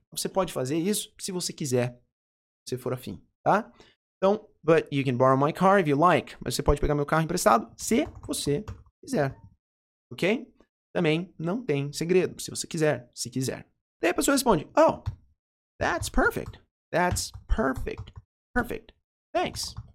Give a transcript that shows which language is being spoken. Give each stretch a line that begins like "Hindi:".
Portuguese: Você pode fazer isso se você quiser, se for afim, tá?
English: Então, but you can borrow my car if you like.
Portuguese: Mas você pode pegar meu carro emprestado se você quiser, ok? Também não tem segredo, se quiser. Daí a pessoa responde,
English: oh, that's perfect, thanks.